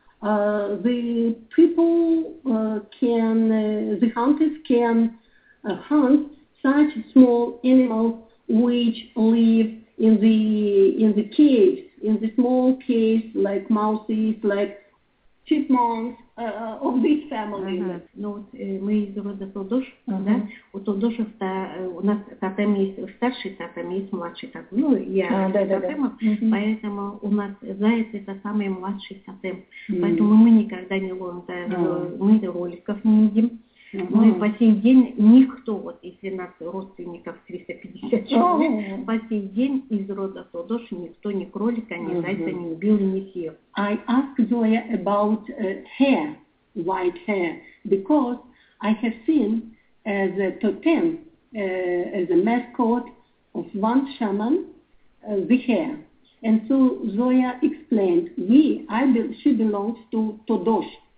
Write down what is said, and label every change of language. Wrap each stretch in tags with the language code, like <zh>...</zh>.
<en>The people the hunters can hunt such small animals which live in the caves, in the small caves, like mouses, like chipmunks. Of this family.</en> <ru>Uh-huh. Ну, вот, мы из рода Тодош, uh-huh. Да, у Тодошев, у нас тотем есть старший тотем, есть младший тотем, ну, я тотема, поэтому у нас заяц это самый младший тотем, поэтому мы никогда не ловим заяц, мы роликов не едим. Uh-huh. Мы по сей день никто, вот если нас родственников 350 человек, по сей день из рода Тодош никто ни кролика, ни зайца не убил и не съел.</ru> <en>I asked Zoya about hair, white hair, because I have seen as a totem, as a mascot of one shaman, the hair. And so Zoya explained, she belongs to Todosh.</en>